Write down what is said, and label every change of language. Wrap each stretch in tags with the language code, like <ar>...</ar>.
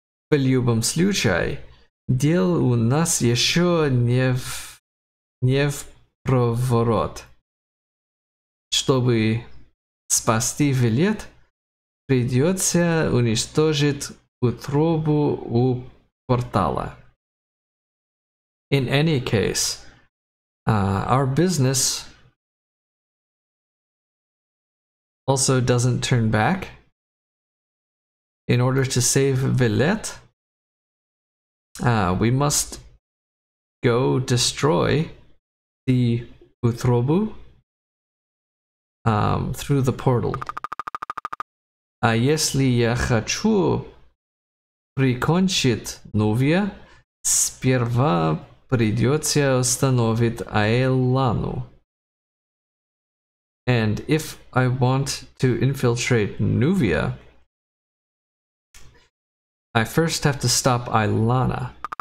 <ru>В любом случае, дел у нас еще не в проворот. Чтобы спасти Вилет, придется уничтожить утробу у портала.</ru> <en>In any case, our business also doesn't turn back. In order to save Вилет, we must go destroy the Utrobu through the portal.</en> <ru>А если я хочу прикончить Нувия, сперва придется остановить Аэлану.</ru> <en>And if I want to infiltrate Nuvia, I first have to stop Айлана.</en>